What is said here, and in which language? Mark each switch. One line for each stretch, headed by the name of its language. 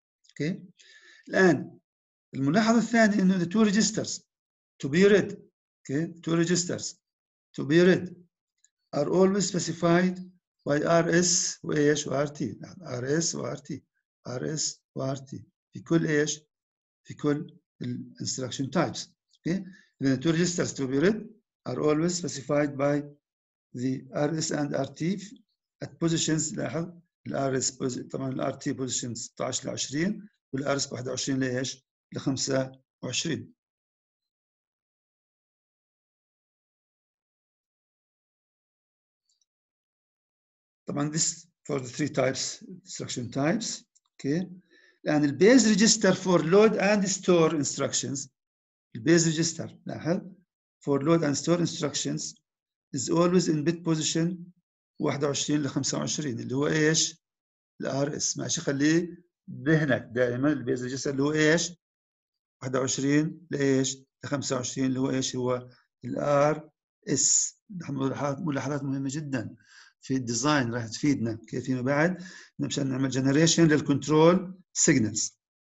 Arabic: اوكي الان الملاحظه الثانيه انه
English: Two registers to be read okay two registers to be read are always specified by R S وايش وار T R S وار T R S وار T في كل ايش في كل الانستركشن types Okay. The two registers to be read are always specified by the RS and RT at positions.
Arabic: لاحظ ال RS طبعا ال RT position 16 ل 20 وال RS 21 ليش؟ ل 25. طبعاً
English: this for the three types, instruction types. Okay. الآن الـ base register for load and store instructions. الـ base register, لاحظ. For load and store instructions is always in bit position 21 لـ 25
Arabic: اللي هو إيش؟
English: الـ RS.
Arabic: ماشي خليه بذهنك دائماً الـ base register اللي هو إيش؟ 21 لإيش؟ لـ 25 اللي هو إيش؟ هو الـ RS. ملاحظات مهمة جداً. في الديزاين راح تفيدنا كيف فيما بعد مشان نعمل جنريشن للكنترول سيجنلز.